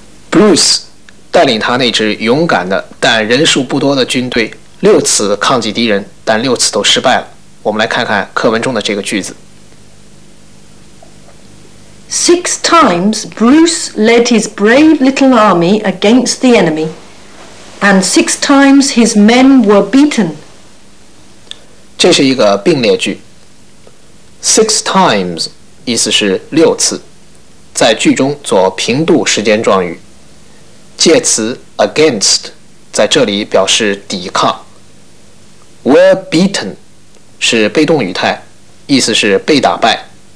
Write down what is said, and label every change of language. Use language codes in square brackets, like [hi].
[zh] Bruce 带领他那支勇敢的但人数不多的军队6次抗击敌人，但6次都失败了。我们来看看课文中的这个句子。 [en] 6 times Bruce led his brave little army against the enemy, and 6 times his men were beaten. [zh] 这是一个并列句。 6 times 意思是6次，在句中做平度时间状语。介词 against 在这里表示抵抗。 Were beaten 是被动语态，意思是被打败。